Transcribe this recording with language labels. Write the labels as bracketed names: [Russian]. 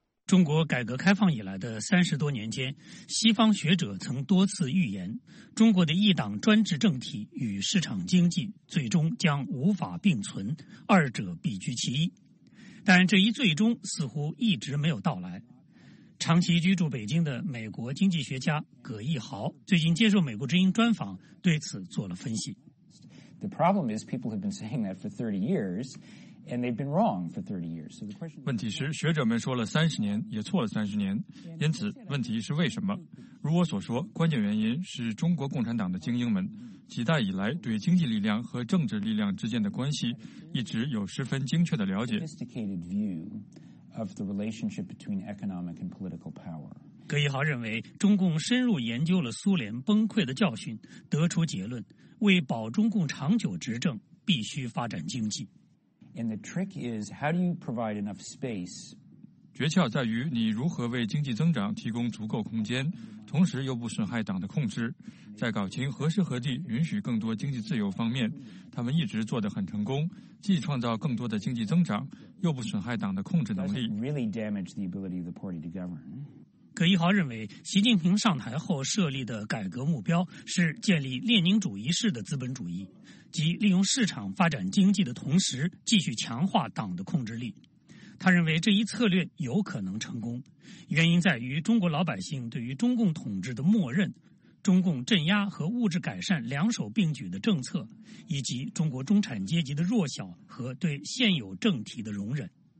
[Chinese] 中国改革开放以来的30多年间，西方学者曾多次预言，中国的一党专制政体与市场经济最终将无法并存，二者必居其一。但这一最终似乎一直没有到来。长期居住北京的美国经济学家葛益豪最近接受美国之音专访，对此做了分析。 [English] The problem is people have been saying that for 30 years. And they've been wrong for 30 years. So the question. [Chinese] 问题是学者们说了30年，也错了30年。因此，问题是为什么？如我所说，关键原因是中国共产党的精英们几代以来对经济力量和政治力量之间的关系一直有十分精确的了解。 [English] Sophisticated view of the relationship between economic and political power. [Chinese] 葛益豪认为，中共深入研究了苏联崩溃的教训，得出结论：为保中共长久执政，必须发展经济。 [English] And the trick is, how do you provide enough space? [Chinese] 诀窍在于你如何为经济增长提供足够空间，同时又不损害党的控制。在搞清何时何地允许更多经济自由方面，他们一直做得很成功，既创造更多的经济增长，又不损害党的控制能力。 [English] Does it really damage the ability of the party to govern? [Chinese] 葛益豪认为，习近平上台后设立的改革目标是建立列宁主义式的资本主义。即利用市场发展经济的同时继续强化党的控制力。他认为这一策略有可能成功，原因在于中国老百姓对于中共统治的默认，中共镇压和物质改善两手并举的政策，以及中国中产阶级的弱小和对现有政体的容忍。